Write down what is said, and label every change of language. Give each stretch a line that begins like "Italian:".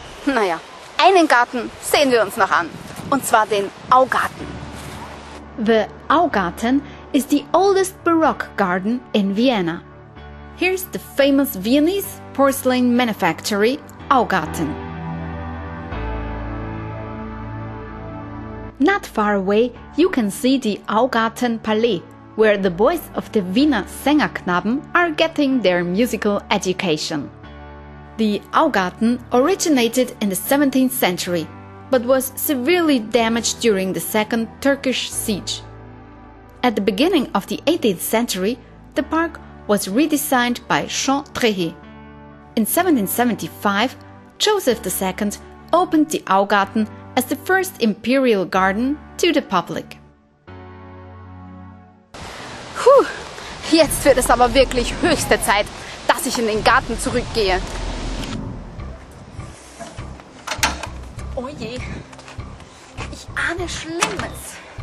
German: Naja, einen Garten sehen wir uns noch an, und zwar den Augarten.
English: The Augarten is the oldest Baroque garden in Vienna. Here's the famous Viennese porcelain manufactory Augarten. Not far away you can see the Augarten Palais, where the boys of the Wiener Sängerknaben are getting their musical education. The Augarten originated in the 17th century, but was severely damaged during the second Turkish siege. At the beginning of the 18th century, the park was redesigned by Chantrehi. In 1775, Joseph II opened the Augarten as the first imperial garden to the public.
German: Puh, jetzt wird es aber wirklich höchste Zeit, dass ich in den Garten zurückgehe. Oje, ich ahne Schlimmes.